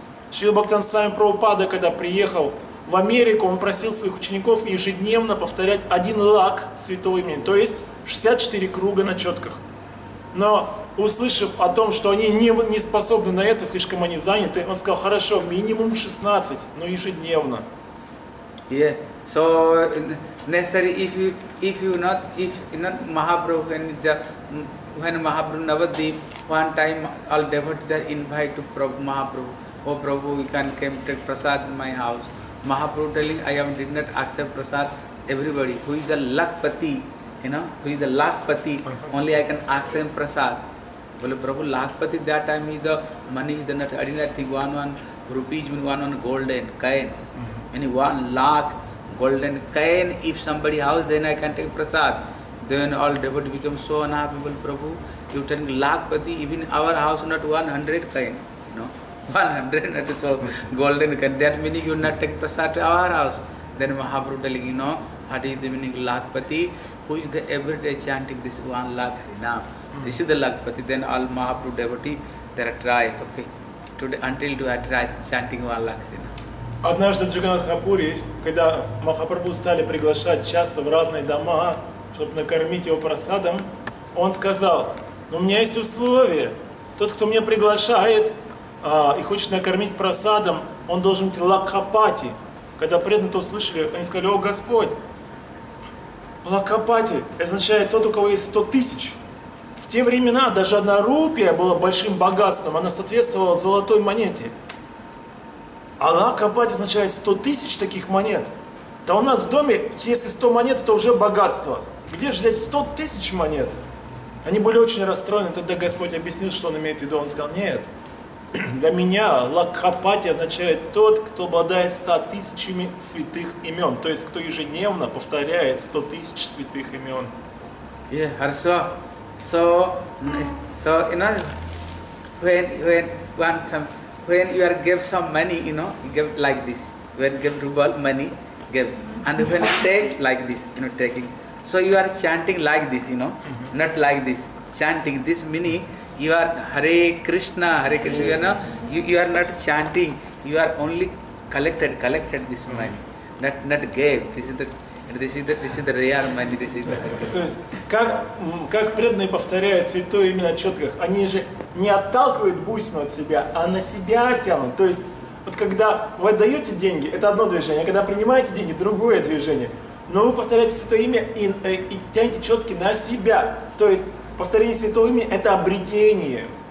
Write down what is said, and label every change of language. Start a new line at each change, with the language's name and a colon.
Russian: Шри Бхактан Сами Прабхупада, когда приехал в Америку, он просил своих учеников ежедневно повторять 1 лакх святого имени, то есть 64 круга на четках. Но, услышав о том, что они не способны на это, слишком они заняты, он сказал, хорошо, минимум 16, но ежедневно.
English: Yeah, so necessary if you not Mahaprabhu, when Mahaprabhu Navadip, one time all devotees are invited to Prabhu Mahaprabhu, oh Prabhu, you can come take prasad in my house. Mahaprabhu telling, did not accept prasad, everybody, who is the lakhpati, you know, who is the lakhpati, only I can accept prasad. Well, Prabhu, lakhpati that time is the money, the not, I did not think one rupees, one golden coin, meaning 1 lakh golden coin, if somebody has, then I can take prasad. Then all devotees become so unhappy, well, Prabhu, you telling lakhpati, even our house not 100 coin, you know. 100 at so golden can, that meaning you not take prasad to our house. Then Mahaprabhu telling, you know, what is the meaning lakhpati, who is the everyday chanting this 1 lakh harinam. This is the lakhpati, then all Mahaprabhu devotee, they try, okay, today until to try chanting 1 lakh harinam.
Russian: Однажды в Джаганнатхапури, когда Махапрабху стали приглашать часто в разные дома, чтобы накормить его прасадом, он сказал, у меня есть условие, тот, кто меня приглашает, и хочет накормить прасадом, он должен быть лакхапати. Когда преданные это услышали, они сказали, о Господь, лакхапати означает тот, у кого есть 100 тысяч. В те времена даже 1 рупия была большим богатством, она соответствовала золотой монете. А лакхапати означает 100 тысяч таких монет. Да у нас в доме, если 100 монет, это уже богатство. Где же здесь 100 тысяч монет? Они были очень расстроены, тогда Господь объяснил, что он имеет в виду. Он сказал, нет. Для меня Лакхапати означает тот, кто обладает 100 тысячами святых имен, то есть кто ежедневно повторяет 100 тысяч святых имен. Yeah, хорошо.
English: So, you know, when you are give some money, you know, you give like this. When give ruble money, give. And when take like this, you know, taking. So you are chanting like this, you know, mm-hmm. not like this. Chanting this meaning. You are Hare Krishna, you know, you are not chanting, you are only collected this money, not gave, this is the real money, this is the...
Russian: То есть, как преданные повторяют святое имя на четках, они же не отталкивают бусину от себя, а на себя тянут, то есть, вот когда вы отдаете деньги, это одно движение, а когда принимаете деньги, другое движение, но вы повторяете святое имя и тянете четки на себя, то есть, повторение святого имени – это обретение.